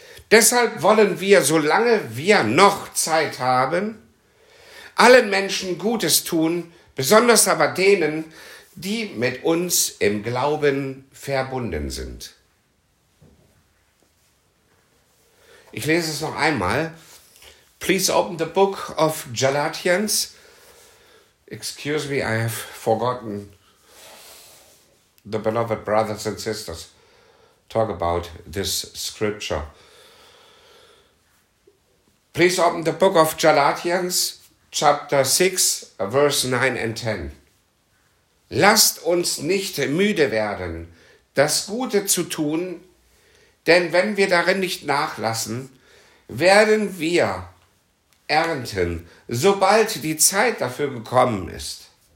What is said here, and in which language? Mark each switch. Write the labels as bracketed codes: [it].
[de] Deshalb wollen wir, solange wir noch Zeit haben, allen Menschen Gutes tun, besonders aber denen, die mit uns im Glauben verbunden sind. Ich lese es noch einmal. [en] Please open the book of Galatians. Excuse me, I have forgotten the beloved brothers and sisters, talk about this scripture. Please open the book of Galatians, chapter 6, verse 9 and 10. [de] Lasst uns nicht müde werden, das Gute zu tun, denn wenn wir darin nicht nachlassen, werden wir ernten, sobald die Zeit dafür gekommen ist.